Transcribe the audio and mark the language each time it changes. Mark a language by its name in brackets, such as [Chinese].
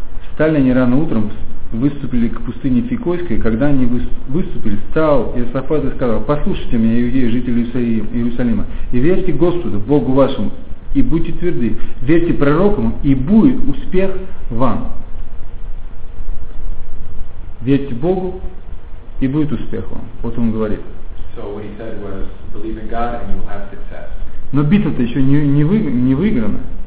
[Russian] Встали они рано утром, выступили к пустыне Фикойской, и когда они выступили, встал Иосафат и сказал: послушайте меня, иудеи, жители Иерусалима, и верьте Господу, Богу вашему, и будьте тверды. Верьте пророкам, и будет успех вам. Верьте Богу, и будет успех вам. Вот он говорит. [English] So what he said was, believe in God and you will have success. [Russian] Но битва-то еще не выиграна.